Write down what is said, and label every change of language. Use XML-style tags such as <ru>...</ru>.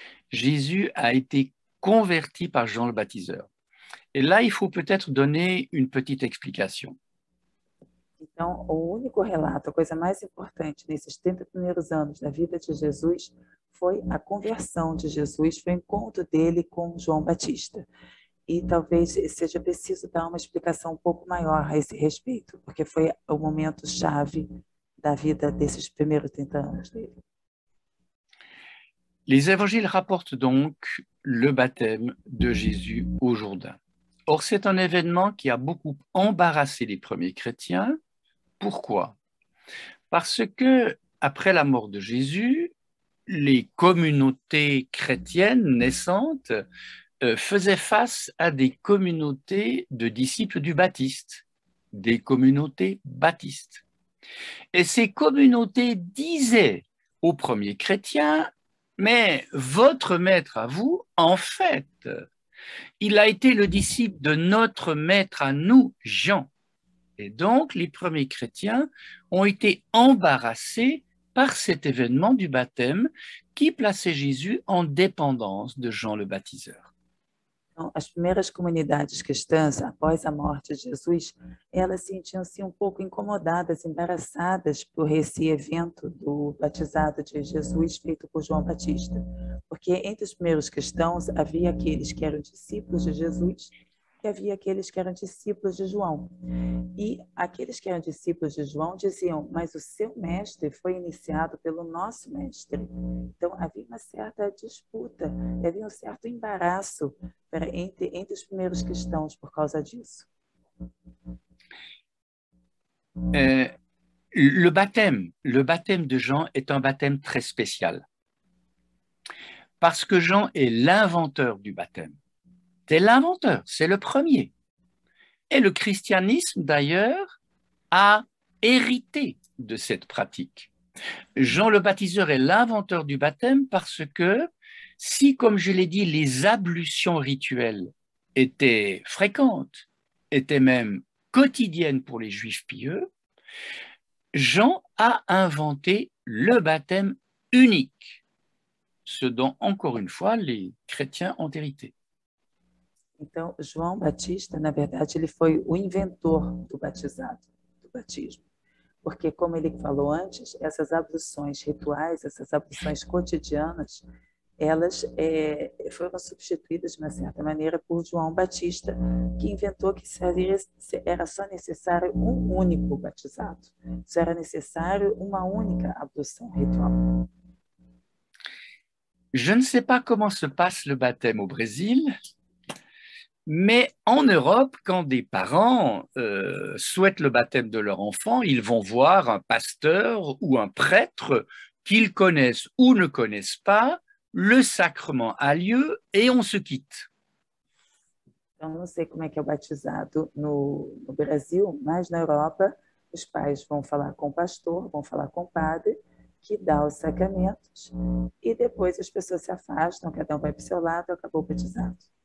<fr>Jésus a été converti par Jean le Baptiseur. Et là, il faut peut-être donner une petite explication.</fr> <pt>Então, o único relato, a coisa mais importante nesses 30 primeiros anos da vida de Jesus foi a conversão de Jesus, foi o encontro dele com João Batista. E talvez seja preciso dar uma explicação um pouco maior a esse respeito, porque foi o momento-chave da vida desses primeiros 30 anos dele.</pt> <fr>Les évangiles rapportent donc le baptême de Jésus au Jourdain. Or, c'est un événement qui a beaucoup embarrassé les premiers chrétiens. Pourquoi? Parce que, après la mort de Jésus, les communautés chrétiennes naissantes, faisaient face à des communautés de disciples du Baptiste, des communautés baptistes. Et ces communautés disaient aux premiers chrétiens: mais votre maître à vous, en fait, il a été le disciple de notre maître à nous, Jean. Et donc, les premiers chrétiens ont été embarrassés par cet événement du baptême qui plaçait Jésus en dépendance de Jean le Baptiseur.</fr> <pt>As primeiras comunidades cristãs, após a morte de Jesus, elas sentiam-se um pouco incomodadas, embaraçadas por esse evento do batizado de Jesus feito por João Batista. Porque entre os primeiros cristãos havia aqueles que eram discípulos de Jesus e havia aqueles que eram discípulos de João. E aqueles que eram discípulos de João diziam: mas o seu mestre foi iniciado pelo nosso mestre. Então havia uma certa disputa, havia um certo embaraço entre os primeiros cristãos por causa disso.</pt> <fr>Le baptême de Jean est un baptême très spécial parce que Jean est l'inventeur du baptême. C'est l'inventeur, c'est le premier. Et le christianisme, d'ailleurs, a hérité de cette pratique. Jean le Baptiseur est l'inventeur du baptême parce que si, comme je l'ai dit, les ablutions rituelles était fréquente, était même quotidienne pour les juifs pieux, Jean a inventé le baptême unique, ce dont, encore une fois, les chrétiens ont hérité.</fr> <pt>Então, João Batista, na verdade, ele foi o inventor do batizado, do batismo. Porque, como ele falou antes, essas abluções rituais, essas abluções cotidianas, elas foram substituídas, de uma certa maneira, por João Batista, que inventou que era só necessário um único batizado, só era necessário uma única abdução ritual.</pt> <fr>Je ne sais pas comment se passe le baptême au Brésil, mais en Europe, quand des parents souhaitent le baptême de leur enfant, ils vont voir un pasteur ou un prêtre qu'ils connaissent ou ne connaissent pas. Le sacrement a lieu et on se quitte.</fr> <pt>Eu não sei como é que é batizado no Brasil, mas na Europa, os pais vão falar com o pastor, vão falar com o padre, que dá os sacramentos, e depois as pessoas se afastam, cada um vai para o seu lado, acabou o batizado.</pt>